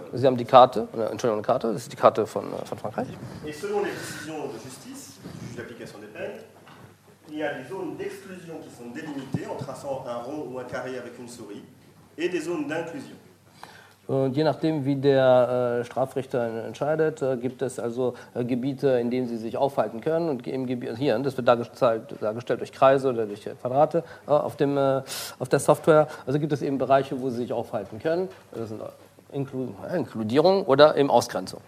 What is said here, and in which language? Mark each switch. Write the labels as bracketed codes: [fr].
[de] Sie haben die Karte, eine Karte, das ist die Karte von Frankreich. [fr] Et selon les décisions de justice, du juge d'application des peines, il y a des zones d'exclusion qui sont délimitées en traçant un rond ou un carré avec une souris, et des zones d'inclusion. [de] Und je nachdem, wie der Strafrichter entscheidet, gibt es also Gebiete, in denen sie sich aufhalten können. Und im hier, das wird dargestellt durch Kreise oder durch Quadrate auf der Software. Also gibt es eben Bereiche, wo sie sich aufhalten können. Das sind Inkludierung oder eben Ausgrenzung.